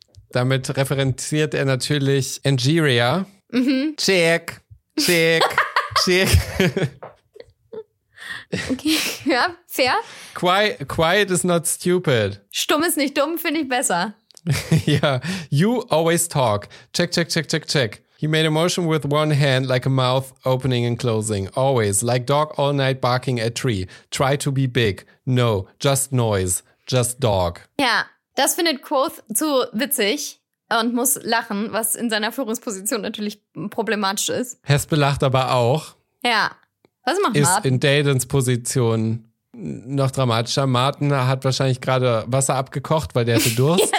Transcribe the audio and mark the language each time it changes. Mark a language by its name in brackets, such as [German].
[German] Damit referenziert er natürlich Angeria. Mhm. [English] Check, check, check. [German] Okay, ja, fair. [English] Quiet is not stupid. [German] Stumm ist nicht dumm, finde ich besser. [English] Ja, you always talk. Check, check, check, check, check. He made a motion with one hand like a mouth opening and closing. Always, like dog all night barking at tree. Try to be big. No, just noise. Just dog. [German] Ja. Das findet Quoth zu witzig und muss lachen, was in seiner Führungsposition natürlich problematisch ist. Hespe lacht aber auch. Ja. Was macht ist Martin? Ist in Daydens Position noch dramatischer. Martin hat wahrscheinlich gerade Wasser abgekocht, weil der hatte Durst.